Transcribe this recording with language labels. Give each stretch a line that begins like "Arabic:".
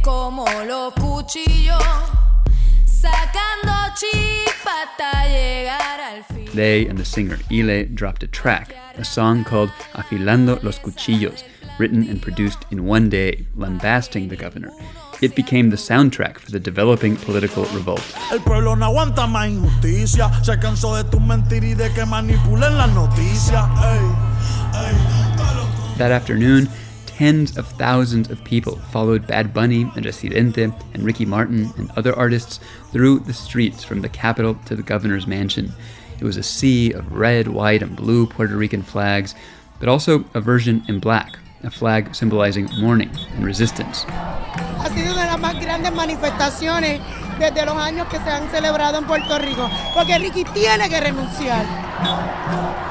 Spanish: como los cuchillos, sacando chispa hasta llegar al fin.
English: They and the singer Ile dropped a track, a song called Afilando los Cuchillos, written and produced in one day, lambasting the governor. It became the soundtrack for the developing political revolt.
Spanish: El pueblo no aguanta más injusticia, se cansó de tus mentiras y de que manipulen las noticias. Ey, ey.
English: That afternoon, tens of thousands of people followed Bad Bunny and Residente and Ricky Martin and other artists through the streets from the Capitol to the governor's mansion. It was a sea of red, white, and blue Puerto Rican flags, but also a version in black, a flag symbolizing mourning and resistance.
Spanish: Ha sido una de las más grandes manifestaciones desde los años que se han celebrado en Puerto Rico, porque Ricky tiene que renunciar.